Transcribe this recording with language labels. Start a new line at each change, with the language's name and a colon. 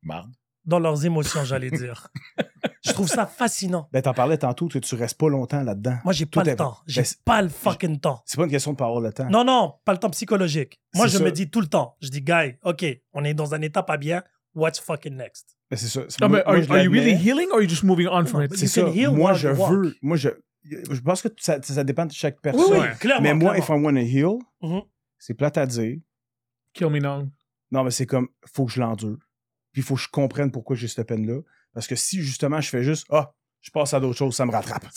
French: Marde. Dans leurs émotions, j'allais dire. Je trouve ça fascinant. Ben, t'en parlais tantôt, tu restes pas longtemps là-dedans. Moi, j'ai pas le temps. J'ai pas le fucking temps. C'est pas une question de pas avoir le temps. Non, pas le temps psychologique. Moi, c'est je ça. Me dis tout le temps. Je dis, guy, OK, on est dans un état pas bien.
English: What's fucking next?
French: Ben, c'est ça.
English: Are you really healing or are you just moving on from it?
French: C'est ça. Moi, je pense que ça dépend de chaque personne. Oui, clairement. Mais moi, clairement.
English: If I want to heal,
French: c'est plate à dire.
English: Kill me now.
French: Non, mais c'est comme, faut que je l'endure. Puis il faut que je comprenne pourquoi j'ai cette peine-là. Parce que si, justement, je fais juste « Ah, oh, je passe à d'autres choses, ça me rattrape. »